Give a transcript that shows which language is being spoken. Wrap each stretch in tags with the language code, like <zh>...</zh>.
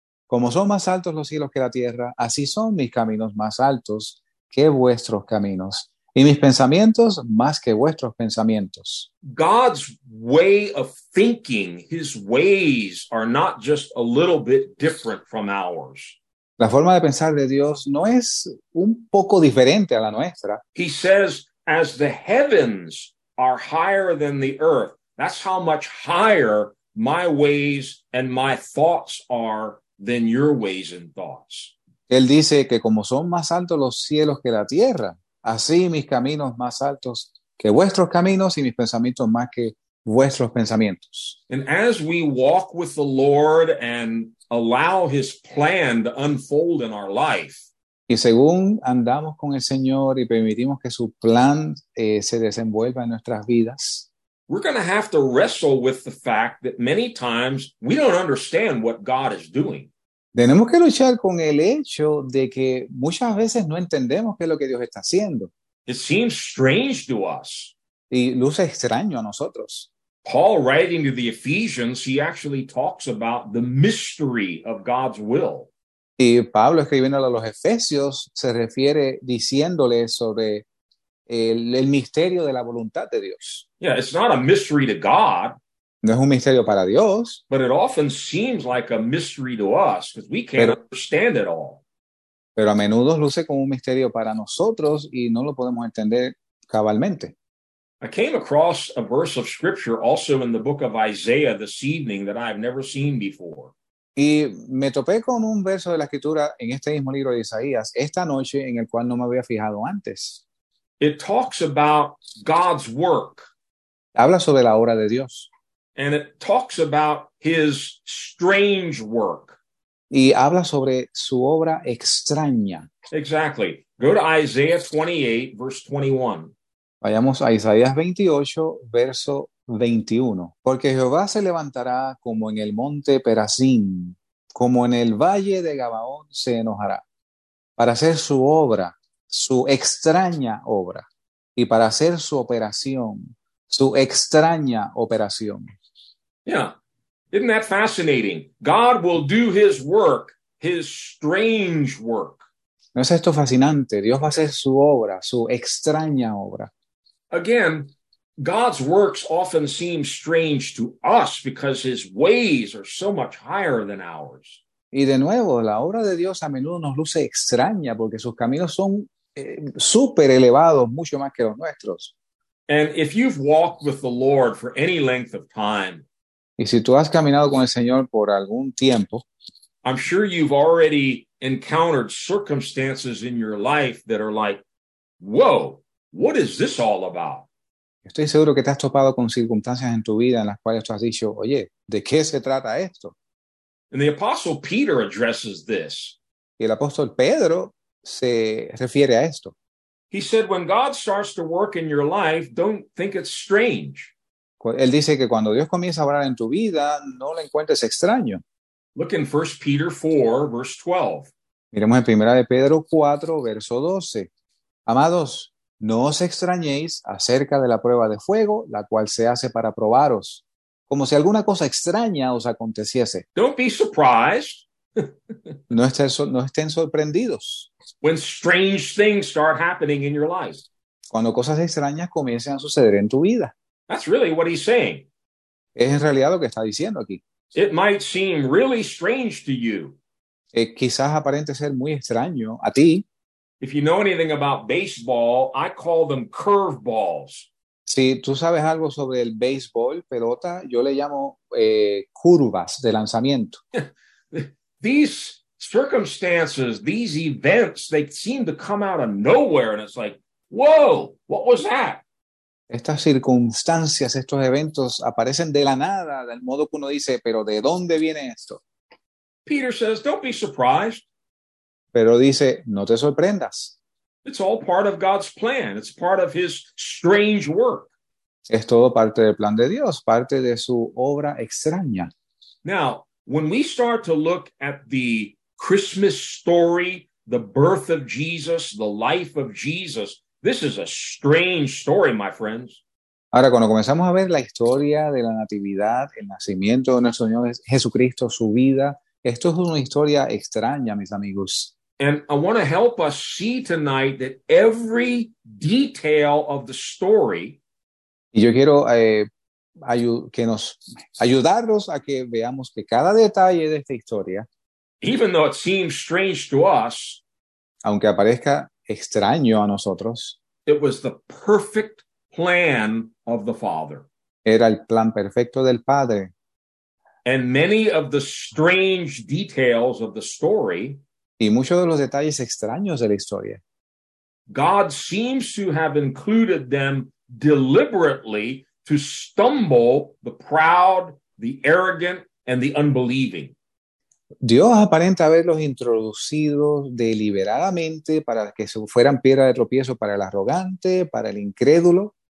<es>Como son más altos los cielos que la tierra, así son mis caminos más altos que vuestros caminos, y mis pensamientos más que vuestros pensamientos.</es> <en>God's way of thinking, his ways are not just a little bit different from ours.</en> <es>La forma de pensar de Dios no es un poco diferente a la nuestra.</es> <en>He says, as the heavens are higher than the earth, that's how much higher my ways and my thoughts are than your ways and thoughts.</en> <es>Él dice que como son más altos los cielos que la tierra, así mis caminos más altos que vuestros caminos y mis pensamientos más que vuestros pensamientos.</es> <en>And as we walk with the Lord and allow his plan to unfold in our life,</en> <es>y según andamos con el Señor y permitimos que su plan se desenvuelva en nuestras vidas,</es> <en>we're going to have to wrestle with the fact that many times we don't understand what God is doing.</en> <es>Tenemos que luchar con el hecho de que muchas veces no entendemos qué es lo que Dios está haciendo.</es> <en>It seems strange to us.</en> <es>Y luce extraño a nosotros.</es> <en>Paul, writing to the Ephesians, he actually talks about the mystery of God's will.</en> <es>Y Pablo, escribiendo a los Efesios, se refiere diciéndole sobre el misterio de la voluntad de Dios.</es> <en>Yeah, it's not a mystery to God.</en> <es>No es un misterio para Dios.</es> <en>But it often seems like a mystery to us because we can't understand it all.</en> <es>Pero a menudo luce como un misterio para nosotros y no lo podemos entender cabalmente.</es> <en>I came across a verse of scripture also in the book of Isaiah this evening that I've never seen before.</en> <es>Y me topé con un verso de la escritura en este mismo libro de Isaías esta noche en el cual no me había fijado antes.</es> <en>It talks about God's work.</en> <es>Habla sobre la obra de Dios.</es> <en>And it talks about his strange work.</en> <es>Y habla sobre su obra extraña.</es> <en>Exactly. Go to Isaiah 28, verse 21.</en> <es>Vayamos a Isaías 28, verso 21. Porque Jehová se levantará como en el monte Perazim, como en el valle de Gabaón se enojará, para hacer su obra, su extraña obra, y para hacer su operación, su extraña operación.</es> <en>Yeah. Isn't that fascinating? God will do his work, his strange work.</en> <es>¿No es esto fascinante? Dios va a hacer su obra, su extraña obra.</es> <en>Again, God's works often seem strange to us because his ways are so much higher than ours.</en> <es>Y de nuevo, la obra de Dios a menudo nos luce extraña porque sus caminos son super elevados, mucho más que los nuestros.</es> <en>And if you've walked with the Lord for any length of time,</en> <es>y si tú has caminado con el Señor por algún tiempo,</es> <en>I'm sure you've already encountered circumstances in your life that are like, whoa, what is this all about?</en> <es>Estoy seguro que te has topado con circunstancias en tu vida en las cuales tú has dicho, oye, ¿de qué se trata esto?</es> <en>And the Apostle Peter addresses this.</en> <es>Y el apóstol Pedro se refiere a esto.</es> <en>He said, when God starts to work in your life, don't think it's strange.</en> <es>Él dice que cuando Dios comienza a orar en tu vida, no lo encuentres extraño.</es> <en>Look in 1 Peter 4, verse 12.</en> <es>Miremos en 1 Pedro 4, verso 12. Amados, no os extrañéis acerca de la prueba de fuego, la cual se hace para probaros, como si alguna cosa extraña os aconteciese.</es> <en>Don't be surprised.</en> <es>No estén sorprendidos.</es> <en>When strange things start happening in your life.</en> <es>Cuando cosas extrañas comiencen a suceder en tu vida.</es> <en>That's really what he's saying.</en> <es>Es en realidad lo que está diciendo aquí.</es> <en>It might seem really strange to you.</en> <es>Quizás aparente ser muy extraño a ti.</es> <en>If you know anything about baseball, I call them curveballs.</en> <es>Si tú sabes algo sobre el béisbol, pelota, yo le llamo curvas de lanzamiento.</es> <en>These circumstances, these events, they seem to come out of nowhere. And it's like, whoa, what was that?</en> <es>Estas circunstancias, estos eventos aparecen de la nada, del modo que uno dice, pero ¿de dónde viene esto?</es> <en>Peter says, don't be surprised.</en> <es>Pero dice, no te sorprendas.</es> <en>It's all part of God's plan. It's part of his strange work.</en> <es>Es todo parte del plan de Dios, parte de su obra extraña.</es> <en>Now, when we start to look at the Christmas story, the birth of Jesus, the life of Jesus, this is a strange story, my friends.</en> <es>Ahora, cuando comenzamos a ver la historia de la natividad, el nacimiento de nuestro Señor Jesucristo, su vida, esto es una historia extraña, mis amigos.</es> <en>And I want to help us see tonight that every detail of the story.</en> <es>Y yo quiero ayudarlos a que veamos que cada detalle de esta historia,</es> <en>even though it seems strange to us,</en> <es>aunque aparezca extraño a nosotros,</es> <en>it was the perfect plan of the Father.</en> <es>Era el plan perfecto del Padre.</es> <en>And many of the strange details of the story,</en> <es>y muchos de los detalles extraños de la historia,</es> <en>God seems to have included them deliberately to stumble the proud, the arrogant, and the unbelieving.</en> <es>Dios aparenta haberlos introducido deliberadamente para que fueran piedra de tropiezo para el arrogante, para el incrédulo.</es>